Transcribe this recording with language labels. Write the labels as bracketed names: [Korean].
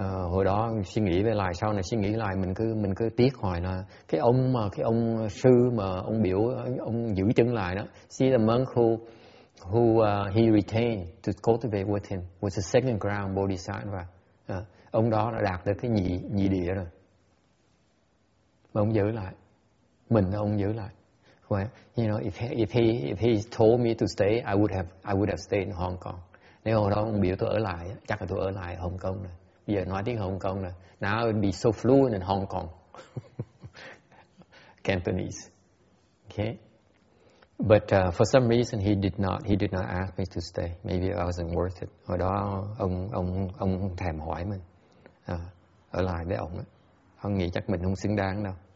[Vietnamese] Hồi đó suy nghĩ về lại, sau này suy nghĩ lại mình cứ tiếc hoài là cái ông sư mà ông biểu ông giữ chân lại đó. [English] See, the monk who he retained to cultivate with him was the second ground bodhisattva. [Vietnamese] Ông đó đã đạt được cái nhị địa rồi mà ông giữ lại, mình ông giữ lại. [English] Well, you know, if he told me to stay, I would have stayed in Hong Kong. [Vietnamese] Nếu hồi đó ông biểu tôi ở lại, chắc là tôi ở lại Hồng Kông rồi. Bây giờ nói tiếng Hồng Kông rồi. [English] Now I'll be so fluent in Hong Kong. Cantonese. Okay. But for some reason he did not ask me to stay. Maybe I wasn't worth it. [Vietnamese] Hồi đó ông thèm hỏi mình ở lại với ông á. Ông nghĩ chắc mình không xứng đáng đâu.